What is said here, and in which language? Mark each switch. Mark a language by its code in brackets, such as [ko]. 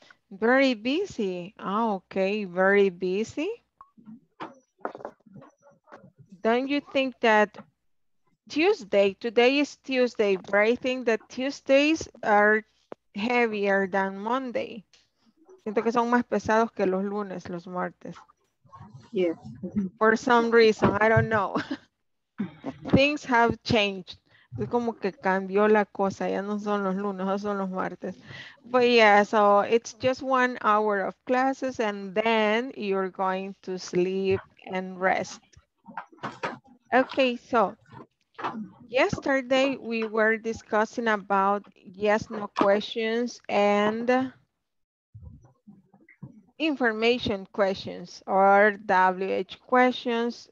[en] Very busy. Oh, okay. Very busy. Don't you think that Tuesday, today is Tuesday, but I think that Tuesdays are heavier than Monday. [es] Siento que son más pesados que los lunes, los martes. [en] Yes. For some reason, I don't know. Things have changed. [es] Es como que cambió la cosa, ya no son los lunes, no son los martes. [en] But yeah, so it's just 1 hour of classes and then you're going to sleep and rest. Okay, so yesterday we were discussing about yes, no questions and information questions or WH questions.